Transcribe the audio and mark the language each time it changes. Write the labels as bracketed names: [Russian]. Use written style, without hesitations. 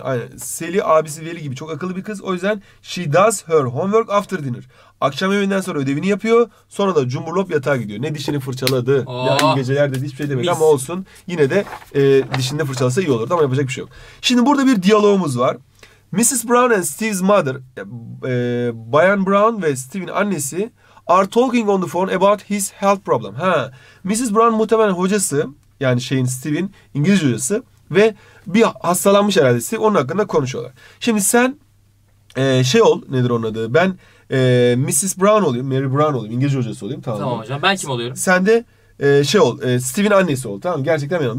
[Turkish] Aynen aynen. Sally abisi Veli gibi çok akıllı bir kız. O yüzden [English] she does her homework after dinner. [Turkish] Akşam yemeğinden sonra ödevini yapıyor. Sonra da cumburlop yatağa gidiyor. Ne dişini fırçaladı. Yani gecelerde hiçbir şey demedi ama olsun. Yine de dişini fırçalasa iyi olurdu ama yapacak bir şey yok. Şimdi burada bir diyalogumuz var. Mrs. [English] Brown and Steve's mother, [Turkish] Bayan Brown ve Steve'in annesi [English] are talking on the phone about his health problem. [Turkish] Ha, Mrs. Brown muhtemelen hocası, yani Steve'in İngilizce hocası ve bir hastalanmış herhalde Steve, onun hakkında konuşuyorlar. Şimdi sen ol, nedir onun adı? Ben Mrs. Brown olayım, Mary Brown olayım, İngilizce hocası olayım. Tamam, tamam hocam, ben kim oluyorum? Sen de ol, Steve'in annesi ol, tamam? Gerçekten benim.